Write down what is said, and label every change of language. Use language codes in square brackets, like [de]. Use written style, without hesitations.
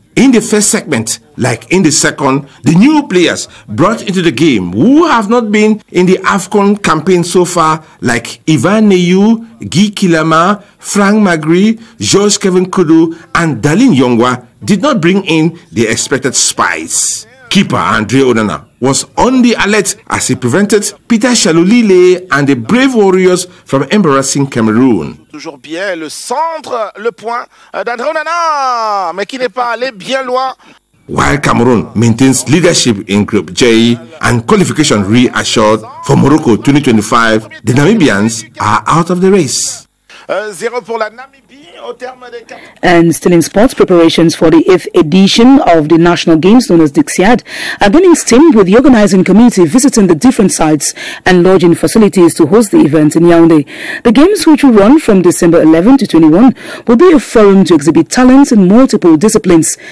[en] In the first segment, like in the second, the new players brought into the game who have not been in the AFCON campaign so far, like Ivan Neyu, Guy Kilama, Frank Magri, George Kevin Kudu, and Dalin Yongwa, did not bring in the expected spice. Keeper Andre Onana was on the alert as he prevented Peter Shalulile and the brave warriors from embarrassing Cameroon. [fr] Toujours bien le centre, le point d'Andre Onana, mais qui n'est pas allé bien loin. [en] While Cameroon maintains leadership in Group J and qualification reassured for Morocco 2025, the Namibians are out of the race. [fr] Zero pour la Namibie au terme des quatre. [en] And still in sports, preparations for the 8th edition of the national games known as Dixiad are gaining steam, with the organizing committee visiting the different sites and lodging facilities to host the event in Yaoundé. The games, which will run from December 11 to 21, will be a forum to exhibit talents in multiple disciplines.